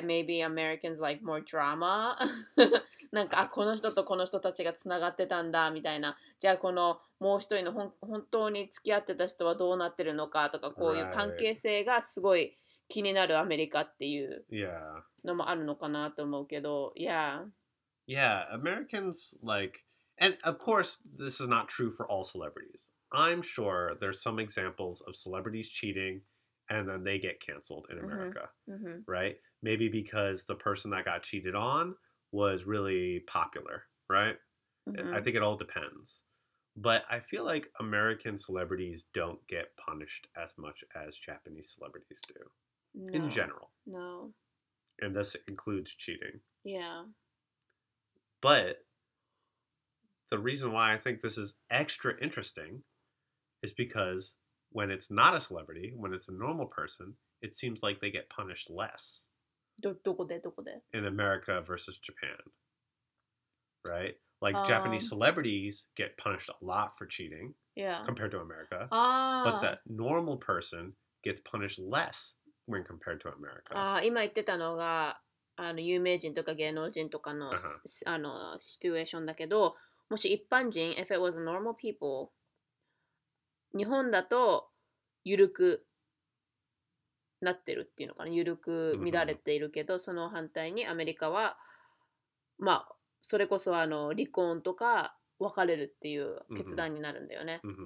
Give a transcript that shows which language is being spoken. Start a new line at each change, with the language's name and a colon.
English: Maybe Americans like more drama.
Japanese: なんか、あ、この人とこの人たちがつながってたんだみたいな。じゃあこのもう一人の本当に付き合ってた人はどうなってるのかとか、こういう関係性がすごい気になるアメリカっていうのもあるのかなと思うけど、
English: Yeah. Yeah, Americans like, and of course this is not true for all celebrities. I'm sure there's some examples of celebrities cheating and then they get canceled in America, right? Maybe because the person that got cheated on was really popular, right? Mm-hmm. I think it all depends. But I feel like American celebrities don't get punished as much as Japanese celebrities do. No. In general. No. And this includes cheating. Yeah. But the reason why I think this is extra interesting is because when it's not a celebrity, when it's a normal person, it seems like they get punished less.
Japanese: どこで?
English: In America versus Japan. Right? Like, Japanese celebrities get punished a lot for cheating compared to America. But the normal person gets punished less when compared to America.
Japanese: 今言ってたのが、あの、有名人とか芸能人とかの、あの、シチュエーションだけど、もし一般人、
English: if it was normal people,
Japanese: 日本だと緩くなってるっていうのかな、緩く乱れているけど、その反対にアメリカは、まあ、それこそあの離婚とか別れるっていう決断になるんだよね。